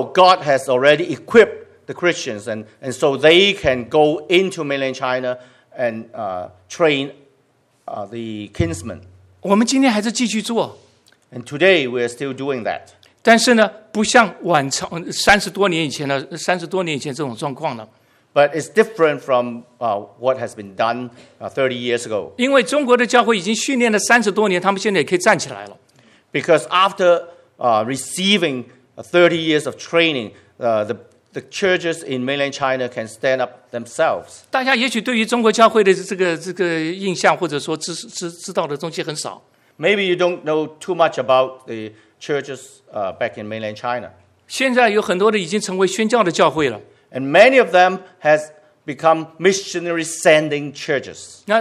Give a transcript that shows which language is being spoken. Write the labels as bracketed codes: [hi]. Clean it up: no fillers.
[en] God has already equipped the Christians, and so they can go into mainland China and train the kinsmen. [zh] 我们今天还是继续做。 [en] And today we are still doing that. [zh] 但是呢，不像往常三十多年以前这种状况了。 [en] But it's different from what has been done 30 years ago. [zh] 因为中国的教会已经训练了30多年，他们现在也可以站起来了。 [en] Because after receiving 30 years of training, the churches in mainland China can stand up themselves. [zh] 大家也许对于中国教会的这个印象，或者说知道的东西很少。 [en] Maybe you don't know too much about the churches back in mainland China. [zh] 现在有很多的已经成为宣教的教会了。 [en] And many of them has become missionary sending churches.